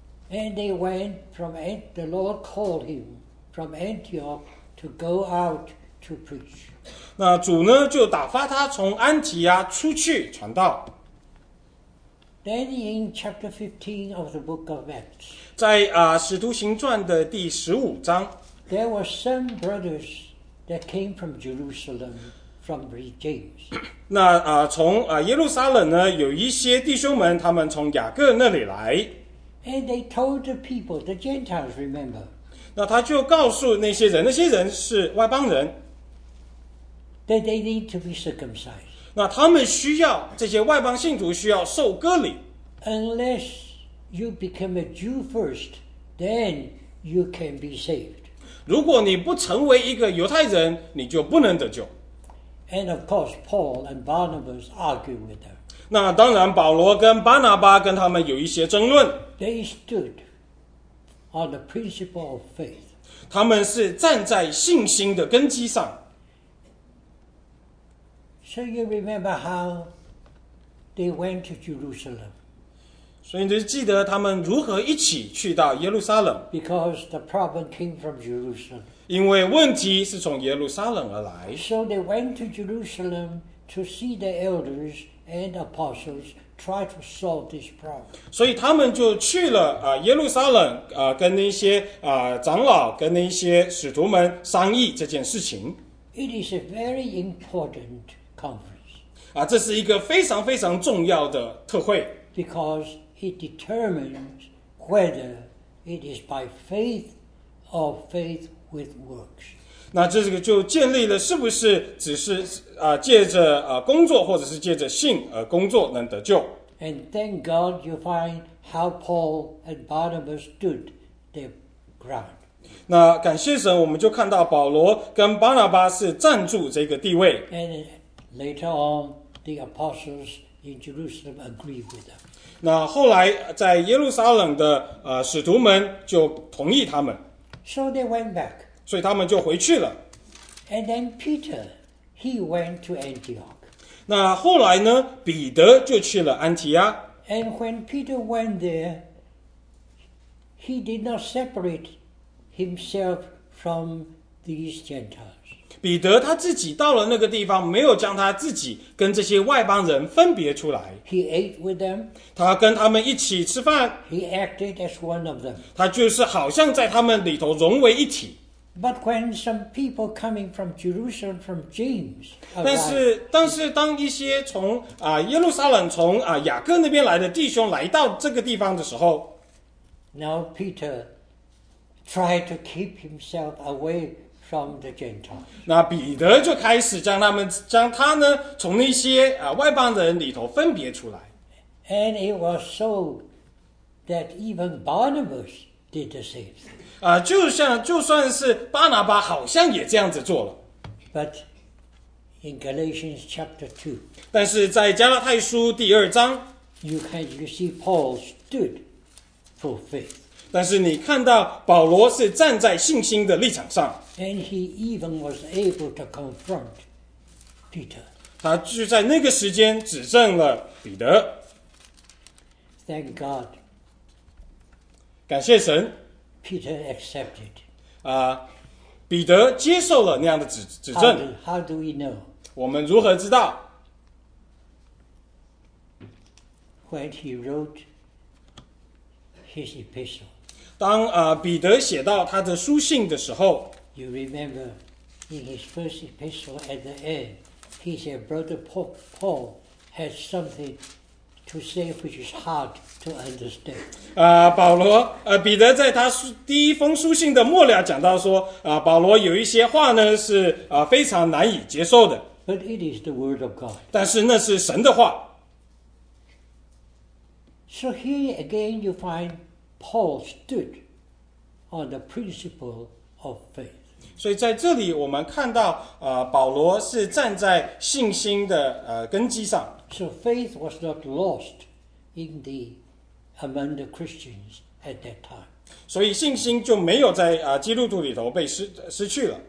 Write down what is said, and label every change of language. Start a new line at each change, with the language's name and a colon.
English: And they went from the Lord called him from Antioch to go out to preach.
Chinese: 那主呢就打发他从安提亚出去传道。
English: Then in chapter 15 of the book of Acts,
Chinese: 在使徒行传的第十五章
English: ，there were some brothers that came from Jerusalem from James.
Chinese: 那从耶路撒冷呢有一些弟兄们，他们从雅各那里来。
English: And they told the people, the Gentiles, remember.
Chinese: 那他就告诉那些人是外邦人。
English: That they need to be circumcised.
Chinese: 那他们需要这些外邦信徒需要受割礼。
English: Unless you become a Jew first, then you can be saved.
Chinese: 如果你不成为一个犹太人，你就不能得救。
English: And of course, Paul and Barnabas argue with them.
Chinese: 那当然，保罗跟巴拿巴跟他们有一些争论。
English: They stood on the principle of faith.
Chinese: 他们是站在信心的根基上。
English: So you remember how they went to Jerusalem?
Chinese: 所以你就记得他们如何一起去到耶路撒冷。
English: Because the problem came from Jerusalem.
Chinese: 因为问题是从耶路撒冷而来。
English: So they went to Jerusalem to see the elders. and apostles try to solve this problem.
Chinese: 所以他们就去了、耶路撒冷、跟那些、长老跟那些使徒们商议这件事情。
English: It is a very important conference.
Chinese: 这是一个非常非常重要的特会。
English: Because it determines whether it is by faith or faith with works.
Chinese: 那这个就建立了是不是只是、借着、工作或者是借着信而工作能得救。
English: And thank God you find how Paul and Barnabas stood their ground.
Chinese: 那感谢神，我们就看到保罗跟巴拿巴是站住这个地位。
English: And later on, the apostles in Jerusalem agree with them.
Chinese: 那后来在耶路撒冷的、使徒们就同意他们。
English: So they went back.
Chinese: 所以他们就回去了。
English: And then Peter, he went to Antioch.
Chinese: 那后来呢，彼得就去了安提阿。
English: And when Peter went there, he did not separate himself from these Gentiles.
Chinese: 彼得他自己到了那个地方，没有将他自己跟这些外邦人分别出来。
English: He ate with them.
Chinese: 他跟他们一起吃饭。
English: He acted as one of them.
Chinese: 他就是好像在他们里头融为一体。
English: But when some people coming from Jerusalem from James,
Chinese: 但是当一些从、耶路撒冷从、雅各那边来的弟兄来到这个地方的时候
English: ，Now Peter. Try to keep himself away from the Gentiles.
Chinese: 那彼得就开始将他们将他呢从那些、外邦人里头分别出来。
English: And it was so that even Barnabas did the same thing.
Chinese: 就算是巴拿巴好像也这样子做了。
English: But in Galatians chapter 2,
Chinese: 但是在加拉太书第二章
English: you see Paul stood for faith.
Chinese: 但是你看到保罗是站在信心的立场上
English: And he even was able to confront Peter.
Chinese: 他就在那个时间指证了彼得
English: Thank God.
Chinese: 感谢神
English: Peter accepted.、
Chinese: 彼得接受了那样的 指证
English: How do we know?
Chinese: 我们如何知道
English: When he wrote his epistle.
Chinese: 当、彼得写到他的书信的时候
English: You remember in his first epistle at the end, he said, Brother Paul has something to say which is hard to understand.、
Chinese: 保罗、彼得在他第一封书信的末了讲到说、保罗有一些话呢是、非常难以接受的。
English: But it is the word of God.
Chinese: 但是那是神的话。
English: So here again you find,Paul stood on the principle of faith.
Chinese: 所以在这里我们看到、保罗是站在信心的、根基上。
English: So faith was not lost in the, among the Christians at that time.
Chinese: 所以信心就没有在、基督徒里头被 失去了。